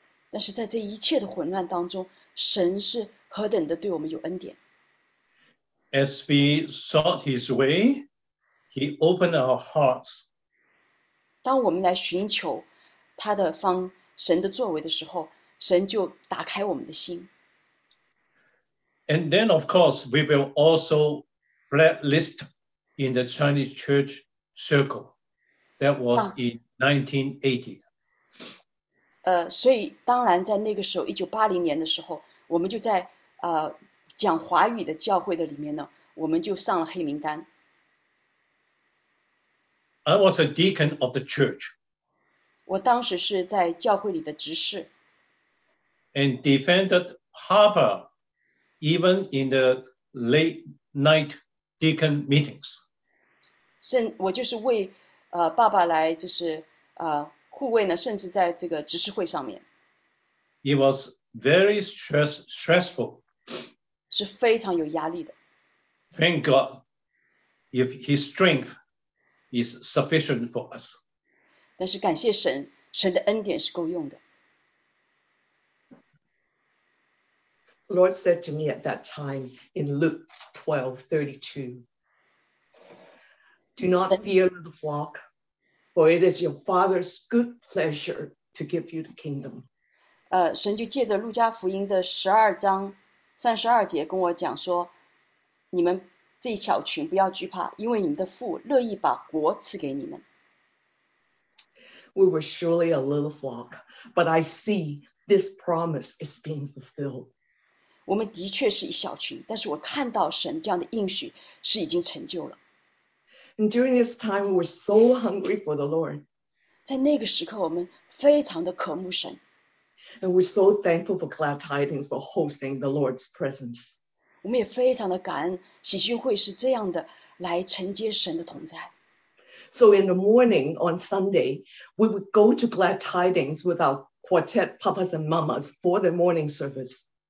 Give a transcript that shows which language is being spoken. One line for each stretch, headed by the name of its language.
Chinese: 但是在这一切的混乱当中，神是何等的对我们有恩典。
English: As we sought His way, He opened our hearts.
Chinese: 当我们来寻求他的方，神的作为的时候，神就打开我们的心。
English: And then, of course, we will also blacklist in the Chinese church circle. That was in 1980.
Chinese: 所以当然在那个时候，1980年的时候，我们就在讲华语的教会的里面呢，我们就上了黑名单。
English: I was a deacon of the church
Chinese: 我当时是在教会里的执事。
English: and defended Harper even in the late night deacon meetings.
Chinese: 我就是为爸爸来就是护卫呢，甚至在这个执事会上面，
English: It was very stressful.
Chinese: 是非常有压力的。
English: Thank God if his strength is sufficient for us.
Chinese: 但是感谢神，神的恩典是够用的。
English: Lord said to me at that time in Luke 12:32, Do not fear the flock, for it is your Father's good pleasure to give you the kingdom.
Chinese: 神就借着路加福音的12章32节跟我讲说，你们这一小群不要惧怕，因为你们的父乐意把国赐给你们。
English: we were surely a little flock, but I see this promise is being fulfilled.
Chinese: 我们的确是一小群, 但是我看到神这样的应许是已经成就了。
English: And during this time, we were so hungry for the Lord.
Chinese: 在那个时刻我们非常的渴慕神。
English: And we're so thankful for glad tidings for hosting the Lord's presence.
Chinese: 我们也非常的感恩, 喜讯会是这样的, 来承接神的同在。
English: So in the morning on Sunday, we would go to glad tidings with our quartet papas and mamas for the morning service.